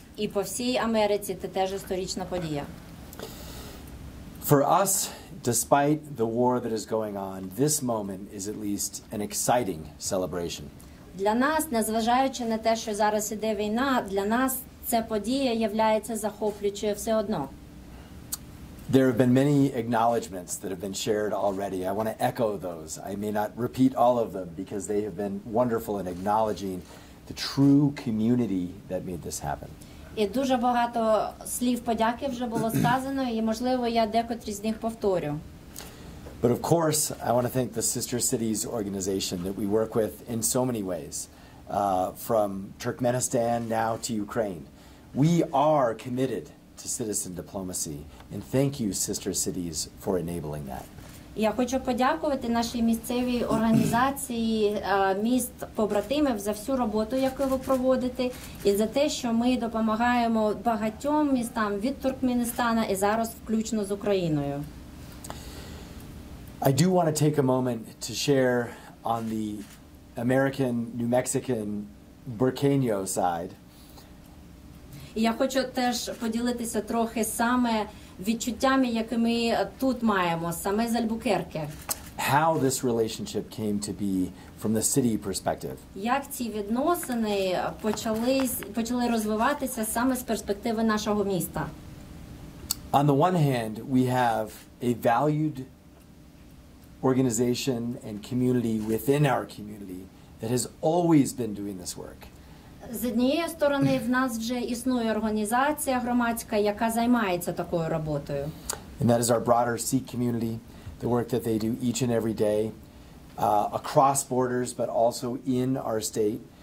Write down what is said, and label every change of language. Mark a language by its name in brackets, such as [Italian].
[Ukrainian] І по всій Америці це теж історична подія. [English] For us, despite the war that is going on, this moment is at least an exciting celebration. [Ukrainian] Для нас, незважаючи на те, що зараз іде війна, для нас ця подія являється захоплюючою все одно. [English] There have been many acknowledgments that have been shared already. I want to echo those. I may not repeat all of them because they have been wonderful in acknowledging the true community that made this happen. [Ukrainian] І дуже багато слів подяки вже було сказано, і, можливо, я декотрі з них повторю. [English] But of course, I want to thank the Sister Cities organization that we work with in so many ways, from Turkmenistan now to Ukraine. We are committed to citizen diplomacy, and thank you, Sister Cities, for enabling that. [Ukrainian] Я хочу подякувати нашій місцевій організації міст побратимів за всю роботу, яку ви проводите, і за те, що ми допомагаємо багатьом містам від Туркменістана і зараз включно з Україною. [English] I do want to take a moment to share on the American New Mexican Burkeno side. [Ukrainian] Я хочу теж поділитися трохи саме відчуттями, які ми тут маємо, саме з Альбукерки. [English] How this relationship came to be from the city perspective. [Ukrainian] Як ці відносини почали розвиватися саме з перспективи нашого міста? [English] On the one hand, we have a valued organization and community within our community that has always been doing this work. [Ukrainian] З однієї сторони, в нас вже існує організація громадська, яка займається такою роботою. [English] And that is our broader Sikh community, the work that they do each and every day, across borders, but also in our state.